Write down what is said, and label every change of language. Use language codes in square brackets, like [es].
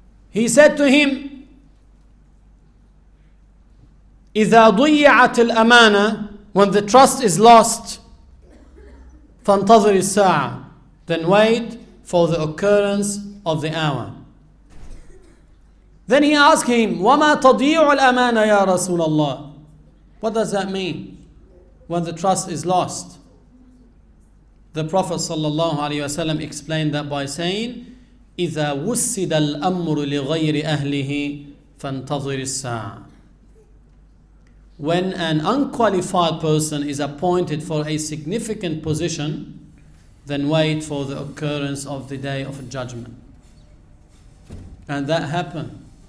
[en] He said to him, [ar] إِذَا ضُيِّعَتِ الْأَمَانَةِ, [en] when the trust is lost, [ar] فَانْتَظِرِ السَّاعَةِ, [en] then wait for the occurrence of the hour. [ar] Then he asked him, وَمَا تَضِيعُ الْأَمَانَةِ يَا رَسُولَ اللَّهِ. [en] What does that mean, when the trust is lost? The Prophet sallallahu alaihi wasallam explained that by saying, [ar] إِذَا وُسِّدَ الْأَمْرُ لِغَيْرِ أَهْلِهِ فَانْتَظِرِ السَّاعَةِ. [en] when an unqualified person is appointed for a significant position, then wait for the occurrence of the day of judgment. And that happened.